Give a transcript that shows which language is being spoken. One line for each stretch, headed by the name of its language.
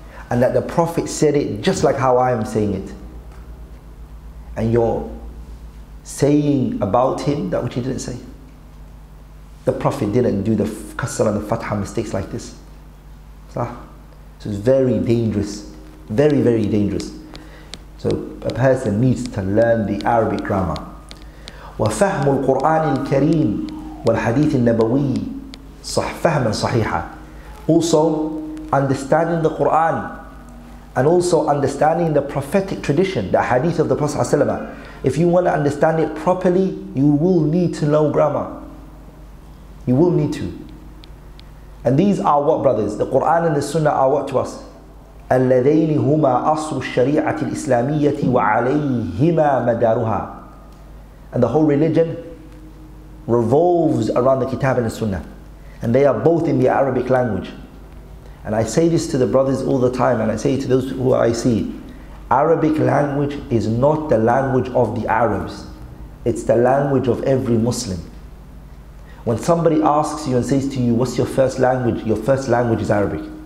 English: And that the Prophet said it just like how I am saying it. And you're saying about him that which he didn't say. The Prophet didn't do the kasra and the fatha mistakes like this. So it's very dangerous. Very, very dangerous. So a person needs to learn the Arabic grammar.
Arabic: وفهم القرآن الكريم والحديث النبوي صح فهما صحيحا.
English: Also understanding the Quran and also understanding the prophetic tradition, the hadith of the Prophet ﷺ. If you want to understand it properly, you will need to know grammar. You will need to. And these are what, brothers? The Quran and the Sunnah are what to us?
Arabic: اللذين هما أصل الشريعة الإسلامية وعليهما مدارها.
English: And the whole religion revolves around the Kitab and the Sunnah. And they are both in the Arabic language. And I say this to the brothers all the time, and I say it to those who I see. Arabic language is not the language of the Arabs. It's the language of every Muslim. When somebody asks you and says to you, what's your first language is Arabic.